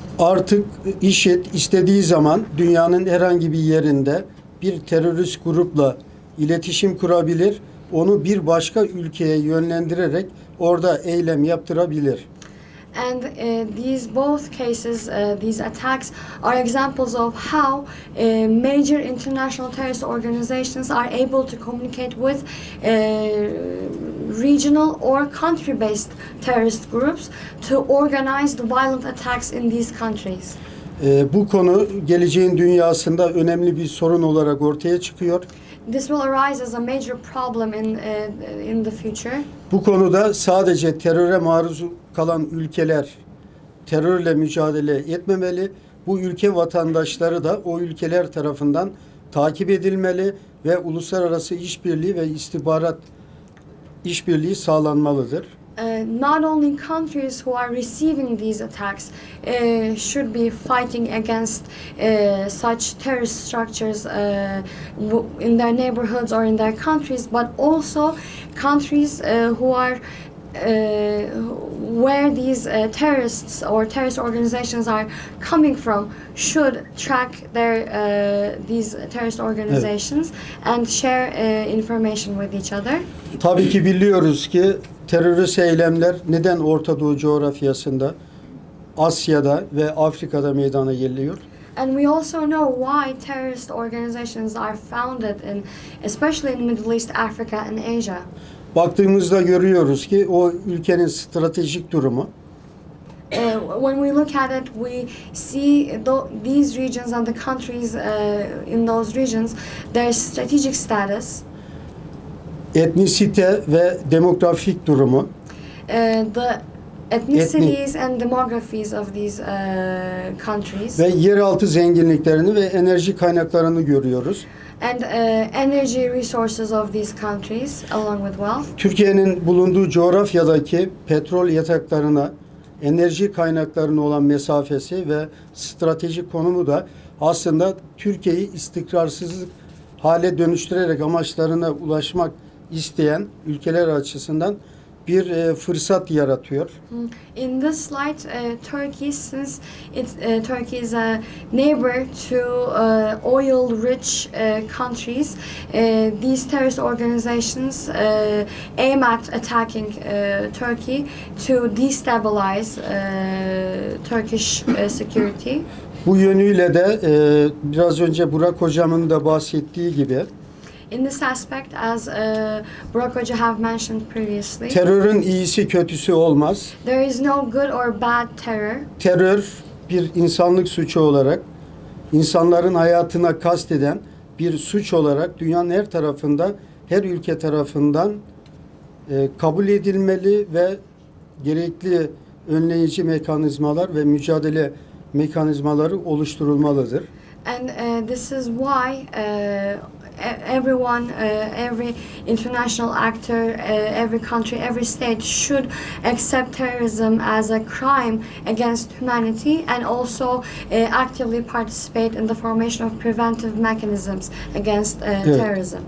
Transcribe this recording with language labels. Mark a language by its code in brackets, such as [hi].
[tr] Artık IŞİD istediği zaman dünyanın herhangi bir yerinde bir terörist grupla iletişim kurabilir, onu bir başka ülkeye yönlendirerek orada eylem yaptırabilir. [en] And these both cases, these attacks are examples of how major international terrorist organizations are able to communicate with regional or country-based terrorist groups to organize the violent attacks in these countries. [tr] Bu konu geleceğin dünyasında önemli bir sorun olarak ortaya çıkıyor. [en] This will arise as a major problem in the future. [tr] Bu konuda sadece teröre maruz kalan ülkeler terörle mücadele etmemeli. Bu ülke vatandaşları da o ülkeler tarafından takip edilmeli ve uluslararası işbirliği ve istihbarat işbirliği sağlanmalıdır. [en] Not only countries who are receiving these attacks should be fighting against such terrorist structures in their neighborhoods or in their countries, but also countries who are where these terrorists or terrorist organizations are coming from should track their these terrorist organizations and share information with each other. [tr] Tabii ki biliyoruz ki terörist eylemler neden Orta Doğu coğrafyasında, Asya'da ve Afrika'da meydana geliyor? [en] And we also know why terrorist organizations are founded in, especially in Middle East, Africa and Asia. [tr] Baktığımızda görüyoruz ki o ülkenin stratejik durumu. [en] When we look at it, we see these regions and the countries in those regions, their strategic status. [tr] Etnisite ve demografik durumu. [en] The ethnicities and demographies of these countries. [tr] Ve yeraltı zenginliklerini ve enerji kaynaklarını görüyoruz. [en] And energy resources of these countries along with wealth. [tr] Türkiye'nin bulunduğu coğrafyadaki petrol yataklarına, enerji kaynaklarına olan mesafesi ve stratejik konumu da aslında Türkiye'yi istikrarsız hale dönüştürerek amaçlarına ulaşmak isteyen ülkeler açısından bir fırsat yaratıyor. [en] In this slide, Turkey, since it's Turkey is a neighbor to oil-rich countries, these terrorist organizations aim at attacking Turkey to destabilize Turkish security. [tr] Bu yönüyle de biraz önce Burak Hocam'ın da bahsettiği gibi. [en] In this aspect, as Burak Hoca have mentioned previously, [tr] terörün iyisi kötüsü olmaz. [en] There is no good or bad terror. [tr] Terör bir insanlık suçu olarak, insanların hayatına kasteden bir suç olarak dünyanın her tarafında, her ülke tarafından kabul edilmeli ve gerekli önleyici mekanizmalar ve mücadele mekanizmaları oluşturulmalıdır. [en] And this is why everyone, every international actor, every country, every state should accept terrorism as a crime against humanity and also actively participate in the formation of preventive mechanisms against terrorism.